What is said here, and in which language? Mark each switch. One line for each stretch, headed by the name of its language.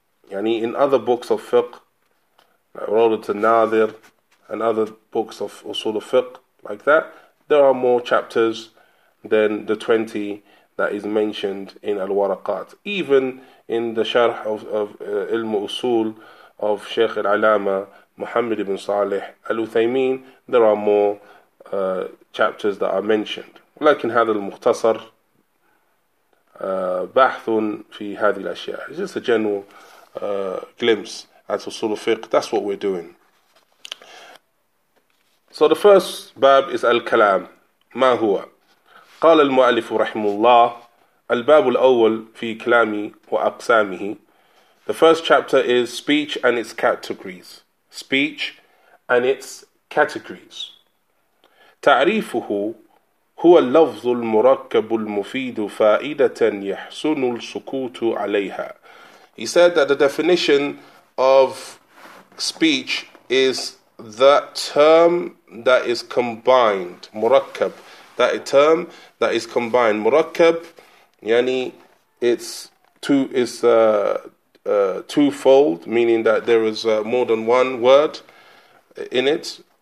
English: Yani in other books of fiqh, like Rawdat al-Nadir and other books of Usul al-Fiqh like that, there are more chapters than the 20 that is mentioned in Al-Waraqat. Even in the sharh of Ilm Usul of Shaykh Al-Alama Muhammad ibn Salih Al-Uthaymeen, there are more chapters that are mentioned.
Arabic: ولكن هذا المختصر بحث في هذه الأشياء.
English: It's just a general glimpse at usul al-fiqh. That's what we're doing. So the first bab is al-kalam.
Arabic: ما هو؟ قال المؤلف رحمه الله الباب الأول في كلامي وأقسامه.
English: The first chapter is speech and its categories. Speech and its categories.
Arabic: تعريفه هو اللفظ المركب المفيد فائدة يحسن السكوت عليها.
English: He said that the definition of speech is the term that is combined, مركب. That term that is combined, مركب, يعني it's two is twofold, meaning that there is more than one word in it.